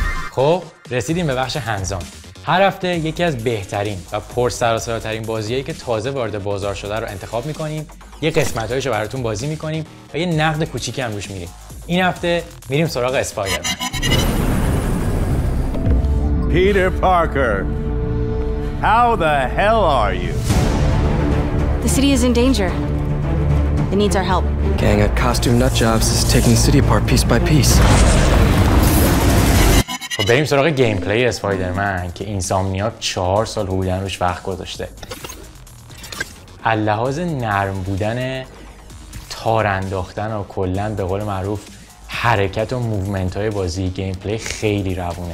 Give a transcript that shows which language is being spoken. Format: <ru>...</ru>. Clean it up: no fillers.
<fa>خب رسیدیم به بخش هنزان. هر هفته یکی از بهترین و پرسرصداترین بازیایی که تازه وارد بازار شده رو انتخاب میکنیم، یه قسمتایش رو براتون بازی میکنیم و یه نقد کوچیکی هم روش میریم. این هفته میریم سراغ اسپایدرمن. پیتر پارکر،</fa> <en>How the hell are you? The city is in danger. It needs our help. Gang of costume nut jobs is taking the city apart piece by piece.</en> <fa>و بریم سراغ گیمپلی اسپایدرمن که اینسامنیاک 4 سال حدوداً روش وقت گذاشته. لحاظ نرم بودن تار انداختن و کلن به قول معروف حرکت و موومنت های بازی، گیمپلی خیلی روونه.</fa>